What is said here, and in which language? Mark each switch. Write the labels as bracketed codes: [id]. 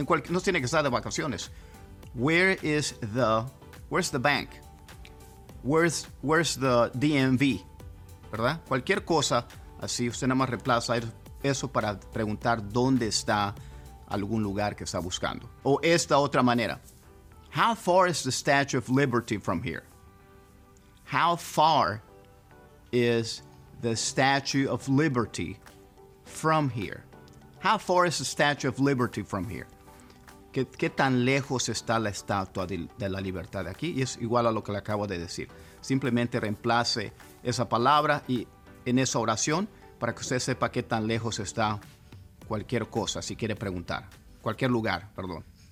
[es] No tiene que estar de vacaciones. Where's the bank? [en] Where's the DMV? ¿Verdad? [es] Cualquier cosa, así usted nada más reemplaza eso para preguntar dónde está algún lugar que está buscando. O esta otra manera. [en] How far is the Statue of Liberty from here? How far is the Statue of Liberty from here? How far is the Statue of Liberty from here? [es] ¿Qué tan lejos está la Estatua de la Libertad de aquí? Y es igual a lo que le acabo de decir. Simplemente reemplace esa palabra y en esa oración para que usted sepa qué tan lejos está cualquier cosa, si quiere preguntar. Cualquier lugar, perdón.